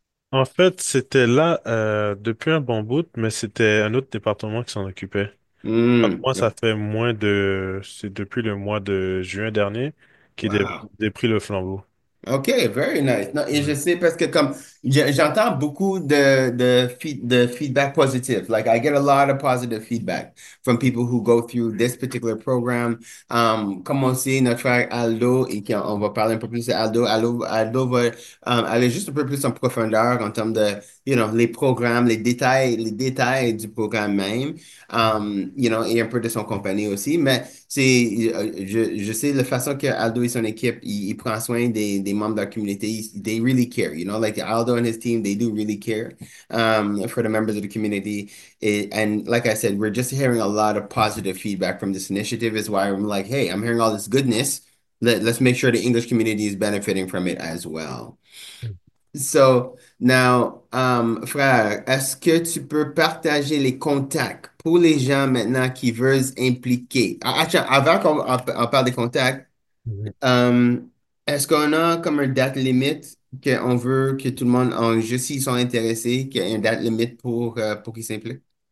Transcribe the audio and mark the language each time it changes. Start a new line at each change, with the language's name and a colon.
French: En fait, c'était là depuis un bon bout, mais c'était un autre département qui s'en occupait. Donc moi, ça fait moins de... C'est depuis le mois de juin dernier qu'il
English: Wow.
French: a pris le flambeau.
English: OK, very nice.
French: Non, et Ouais. je sais parce que comme j'entends beaucoup de feedback positif.
English: Like I get a lot of positive feedback from people who go through this particular program.
French: Comme on sait, notre frère Aldo, et on va parler un peu plus d'Aldo. Aldo va aller juste un peu plus en profondeur en termes de, les programmes, les détails du programme même, et un peu de son compagnie aussi. Mais c'est, je sais la façon que Aldo et son équipe, ils prennent soin des membres de la communauté.
English: They really care, like Aldo and his team, they do really care for the members of the community. And like I said, we're just hearing a lot of positive feedback from this initiative, is why I'm like, hey, I'm hearing all this goodness. Let's make sure the English community is benefiting from it as well. So now,
French: frère, est-ce que tu peux partager les contacts pour les gens maintenant qui veulent s'impliquer? Attends, avant qu'on parle des contacts, est-ce qu'on a comme une date limite qu'on veut que tout le monde, en juste s'ils sont intéressés, qu'il y ait une date limite pour qu'ils s'impliquent?